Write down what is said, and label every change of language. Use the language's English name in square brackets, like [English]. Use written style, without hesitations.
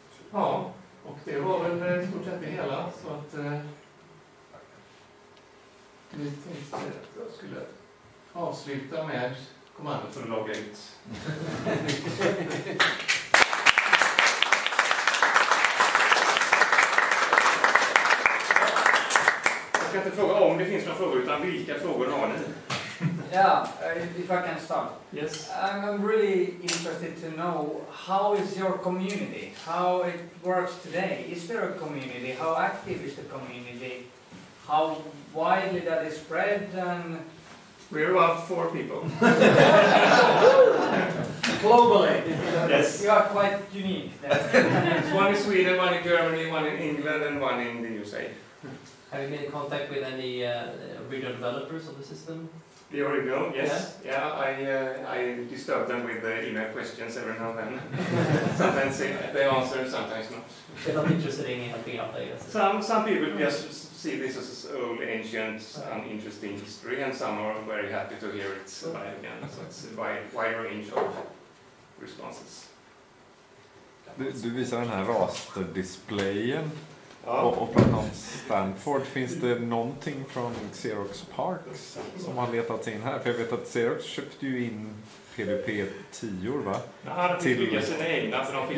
[Swedish] Ja, och det var väl i stort sett det hela. Så att, ni tänkte att jag skulle avsluta med kommandot för att logga ut. Jag ska inte fråga om det finns några frågor, utan vilka frågor har ni? [English] Ja, yeah, if I can start. Yes. I'm really interested to know how is your community? How it works today? Is there a community? How active is the community? How widely that is spread, and we're about 4 people globally. Yes, you are quite unique. One in Sweden, one in Germany, one in England, and one in the USA. Have you made contact with any original developers of the system? The original, yes. Yeah, I disturb them with the email questions every now and then. Sometimes they answer, sometimes not. They're not interested in helping out, I guess. Some people just see this as old, ancient, uninteresting history, and some are very happy to hear it again. So it's a wide range of responses. Yeah. [Swedish] Du visar den här raster-displayen. Ja. Och pratar om Stanford. Finns det någonting från Xerox Parks som har letats in här? För jag vet att Xerox köpte ju in PVP-10, va? Nej, de fick bygga sina egna. För de fick